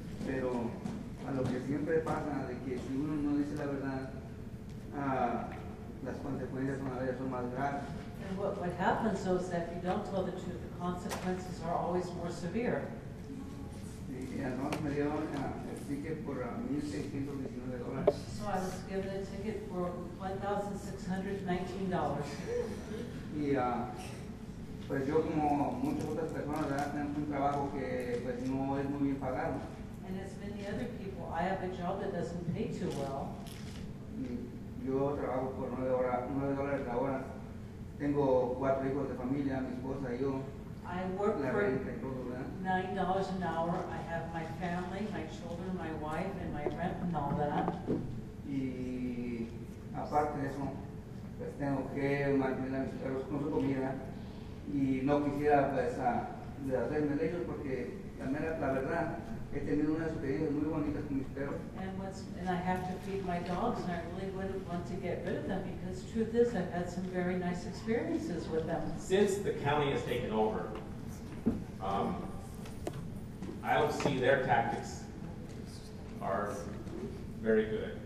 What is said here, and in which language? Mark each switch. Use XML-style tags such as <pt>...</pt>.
<es>Pero a lo que siempre pasa de que si uno no dice la verdad, las consecuencias son a veces son más graves.</es> <en>And what happens so is that if you don't tell the truth, the consequences are always more severe. So I was given a ticket for $1,619. And as many other people, I have a job that doesn't pay too well. $9 an hour.</en> <es>Tengo 4 hijos de familia, mi esposa y yo.</es> <en>I work for $9 an hour. I have my family, my children, my wife, and my rent and all that.</en> <es>Y aparte de eso, pues tengo que mantener a mis perros con su comida. Y no quisiera pues deshacerme de ellos porque la mera, la verdad, he tenido unas experiencias muy bonitas con mis perros.</es> <en>And I have to feed my dogs, and I really wouldn't want to get rid of them because truth is I've had some very nice experiences with them. Since the county has taken over, I don't see their tactics are very good.</en>